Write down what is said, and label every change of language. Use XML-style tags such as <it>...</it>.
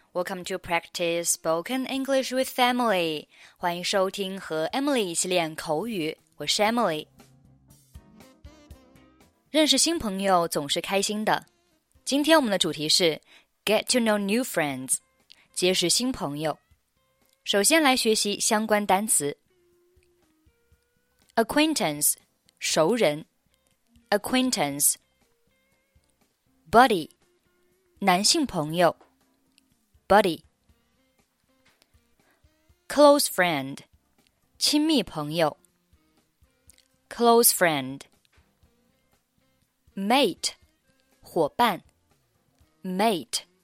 <en>Welcome to Practice Spoken English with Emily.</en> <zh>欢迎收听和 Emily 一起练口语。我是 Emily。认识新朋友总是开心的。今天我们的主题是</zh> <en>Get to know new friends,</en> <zh>结识新朋友。首先来学习相关单词。</zh> <en>Acquaintance, 熟人。 Acquaintance. Buddy. 男性朋友 Buddy Close friend 亲密朋友 Close friend Mate 伙伴 Mate</en>